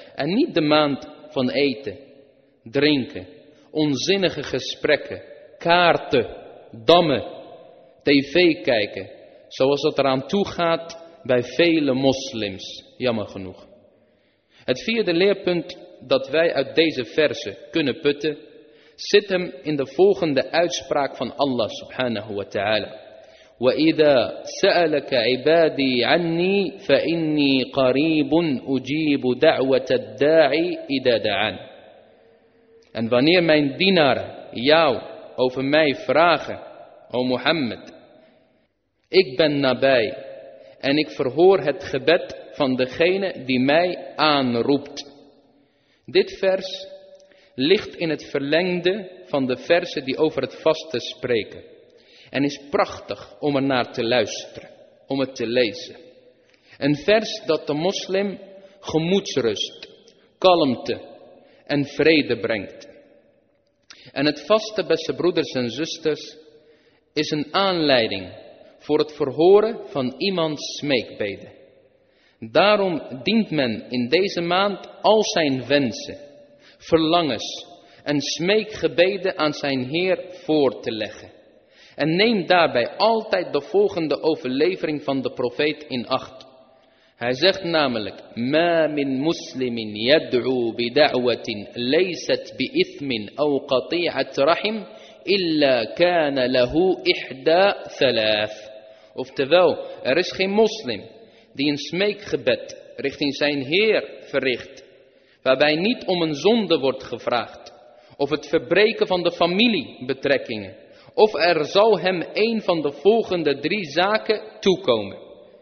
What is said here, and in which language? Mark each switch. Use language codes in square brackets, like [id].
[nl] En niet de maand van eten, drinken, onzinnige gesprekken, kaarten, dammen, tv kijken, zoals het eraan toe gaat bij vele moslims, jammer genoeg. Het vierde leerpunt dat wij uit deze verse kunnen putten, zit hem in de volgende uitspraak van Allah subhanahu wa ta'ala. [ar] وإذا سألك عبادي عني فإني قريب أجيب دعوة الداعي إذا دعان. [nl] Und wanneer mijn dienaar jou over mij vragen, o Mohammed, ik ben nabij en ik verhoor het gebed van degene die mij aanroept. Dit vers ligt in het verlengde van de versen die over het vasten spreken en is prachtig om er naar te luisteren, om het te lezen. Een vers dat de moslim gemoedsrust, kalmte en vrede brengt. En het vaste, beste broeders en zusters, is een aanleiding voor het verhoren van iemands smeekbede. Daarom dient men in deze maand al zijn wensen, verlangens en smeekgebeden aan zijn Heer voor te leggen. En neem daarbij altijd de volgende overlevering van de profeet in acht. [ar] Hij zegt namelijk: ما من مسلم يدعو بدعوة ليست بإثم أو قطيعة رحم إلا كان له إحدى ثلاث. [nl] Oftewel, er is geen moslim die een smeekgebed richting zijn Heer verricht, waarbij niet om een zonde wordt gevraagd, of het verbreken van de familiebetrekkingen, of er zal hem een van de volgende drie zaken toekomen.